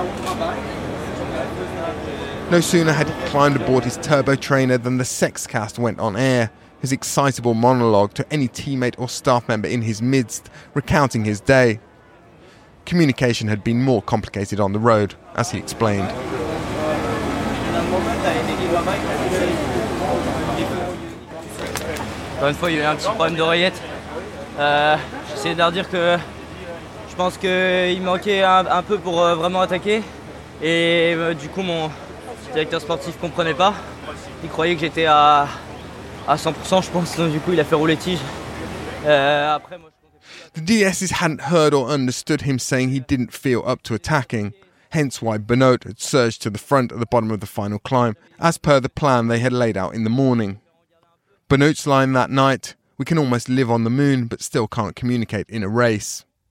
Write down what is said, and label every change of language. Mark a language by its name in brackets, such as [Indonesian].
[English] No sooner had he climbed aboard his turbo trainer than the Sexcast went on air, his excitable monologue to any teammate or staff member in his midst, recounting his day. Communication had been more complicated on the road, as he explained. [French] Encore une fois, il y a eu un petit problème d'oreillette. J'essaie de leur dire que je pense qu'il manquait un peu pour vraiment attaquer. Et du coup, mon directeur sportif ne comprenait pas. Il croyait que j'étais à 100%, je pense. Donc, du coup, il a fait rouler tige. [English] The DSs hadn't heard or understood him saying he didn't feel up to attacking, hence why Benoît had surged to the front at the bottom of the final climb, as per the plan they had laid out in the morning. Benoît's line that night, "We can almost live on the moon, but still can't communicate in a race."